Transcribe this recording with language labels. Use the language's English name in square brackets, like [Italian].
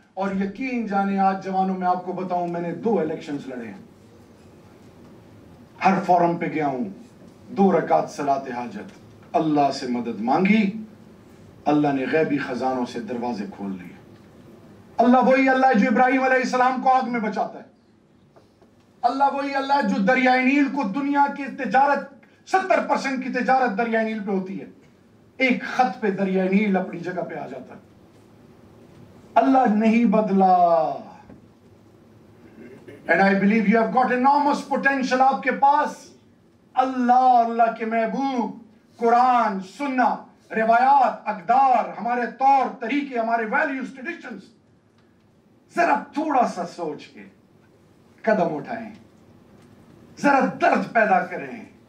[Urdu] اور یقین جانے آج جوانوں میں آپ کو بتاؤں, میں نے دو الیکشنز لڑے ہیں, ہر فورم پہ گیا ہوں, دو رکعت صلاۃ حاجت, اللہ سے مدد مانگی, اللہ نے غیبی خزانوں سے دروازے کھول لیے. اللہ وہی اللہ جو ابراہیم علیہ السلام کو آگ میں بچاتا ہے, اللہ وہی اللہ ہے جو دریائے نیل کو دنیا کی تجارت 70% کی تجارت دریائے نیل پہ ہوتی ہے. ایک خط پہ دریائے نیل اپنی جگہ پہ آ جاتا ہے. اللہ نہیں بدلا. [English] And I believe you have got enormous potential. [Urdu] آپ کے پاس اللہ اللہ کے محبوب قرآن سنہ روایات اقدار ہمارے طور طریقے ہمارے [English] Values traditions. [Urdu] ذرا تھوڑا سا سوچ کے قدم اٹھائیں, ذرا درد پیدا کریں.